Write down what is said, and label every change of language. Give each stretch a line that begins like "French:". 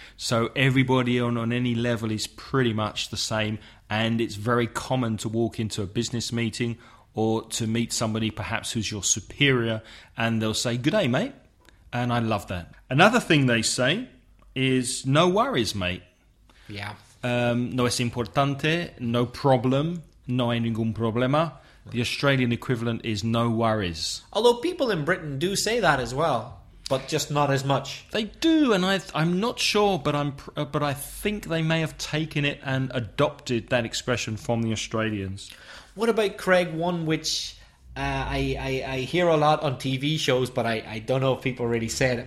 English: So everybody on any level is pretty much the same, and it's very common to walk into a business meeting or to meet somebody perhaps who's your superior, and they'll say, g'day, mate, and I love that. Another thing they say is, no worries, mate. Yeah.
Spanish: No es importante,
English: no problem,
Spanish: no hay ningún problema.
English: The Australian equivalent is no worries. Although people in Britain do say that as well, but just not as much. They do, and I'm not sure, but I think they may have taken it and adopted that expression from the Australians. What about, Craig, one which I hear a lot on TV shows, but I don't know if people really say it.